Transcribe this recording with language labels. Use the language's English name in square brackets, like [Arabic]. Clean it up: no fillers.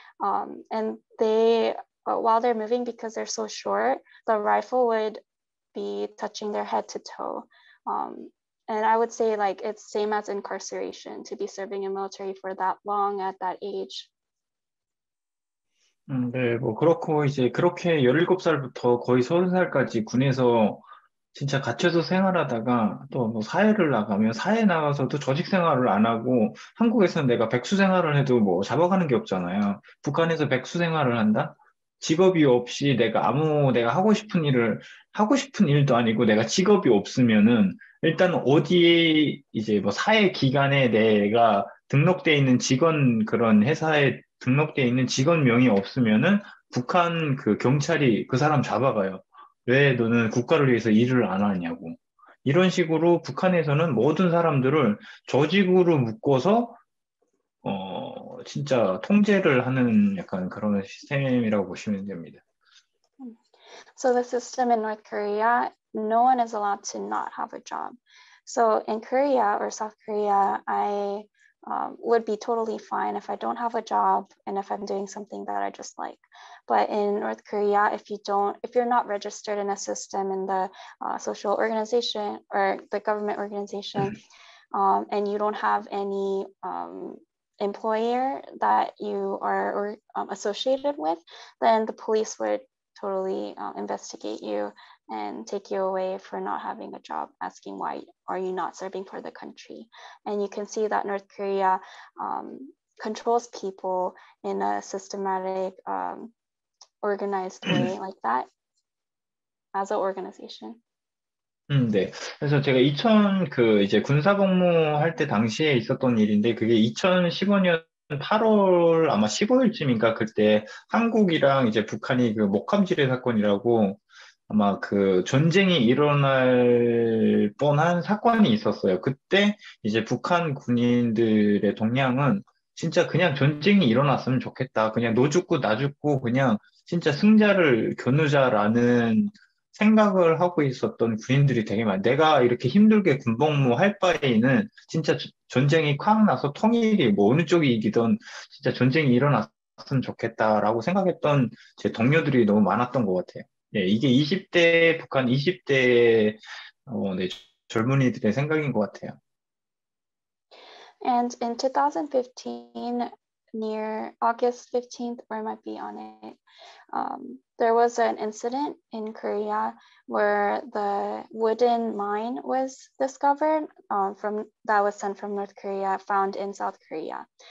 [English] And they, while they're moving, because they're so short, the rifle would be touching their head to toe. And I would say, like, it's same as incarceration to be serving in military for that long at that age. [Korean] 네, 뭐 그렇고 이제 그렇게 17살부터 거의 30살까지 군에서 진짜 갇혀서 생활하다가 또 뭐 사회를 나가면 사회 나가서도 조직 생활을 안 하고 한국에서는 내가 백수 생활을 해도 뭐 잡아가는 게 없잖아요. 북한에서 백수 생활을 한다? 직업이 없이 내가 하고 싶은 일을 하고 싶은 일도 아니고 내가 직업이 없으면은 일단 어디 이제 뭐 사회 기관에 내가 등록돼 있는 직원 그런 회사에 등록돼 있는 직원명이 없으면은 북한 그 경찰이 그 사람 잡아가요. 왜 너는 국가를 위해서 일을 안 하냐고. 이런 식으로 북한에서는 모든 사람들을 조직으로 묶어서 진짜 통제를 하는 약간 그런 시스템이라고 보시면 됩니다. [English] So the system in North Korea, no one is allowed to not have a job. So in Korea or South Korea, I would be totally fine if I don't have a job and if I'm doing something that I just like. But in North Korea, if you don't, if you're not registered in a system in the social organization or the government organization, and you don't have any employer that you are associated with, then the police would totally investigate you and take you away for not having a job, asking why are you not serving for the country. And you can see that North Korea controls people in a systematic, organized way like that as an organization. [Korean] 네. 그래서 제가 2000 그 이제 군사 복무할 때 당시에 있었던 일인데 그게 2015년 8월 아마 15일쯤인가 그때 한국이랑 이제 북한이 그 목함지뢰 사건이라고 아마 그 전쟁이 일어날 뻔한 사건이 있었어요. 그때 이제 북한 군인들의 동향은 진짜 그냥 전쟁이 일어났으면 좋겠다. 그냥 너 죽고 나 죽고 그냥 진짜 승자를 겨누자라는 생각을 하고 있었던 군인들이 되게 많아요. 내가 이렇게 힘들게 군복무 할 바에는 진짜 전쟁이 쾅 나서 통일이 뭐 어느 쪽이 이기든 진짜 전쟁이 일어났으면 좋겠다라고 생각했던 제 동료들이 너무 많았던 것 같아요. 예, 이게 20대 북한 20대의 네, 젊은이들의 생각인 것 같아요. [English] And in 2015, near August 15th, or it might be on it, there was an incident in Korea where the wooden mine was discovered that was sent from North Korea, found in South Korea.